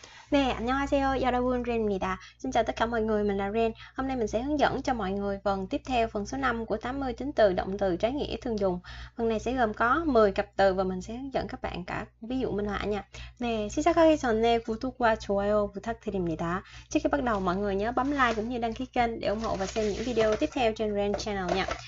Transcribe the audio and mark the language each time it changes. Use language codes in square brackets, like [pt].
[vi] Nè, [ko] annyeonghaseyo,여러분, Ren입니다. [vi] Xin chào tất cả mọi người, mình là Ren. Hôm nay mình sẽ hướng dẫn cho mọi người phần tiếp theo, phần số 5 của 80 chính từ động từ trái nghĩa thường dùng. Phần này sẽ gồm có 10 cặp từ và mình sẽ hướng dẫn các bạn cả ví dụ minh họa nha. [ko] Nè, 시작하기 전에 구독과 좋아요 부탁드립니다. [vi] Trước khi bắt đầu, mọi người nhớ bấm like cũng như đăng ký kênh để ủng hộ và xem những video tiếp theo trên Ren Channel nha.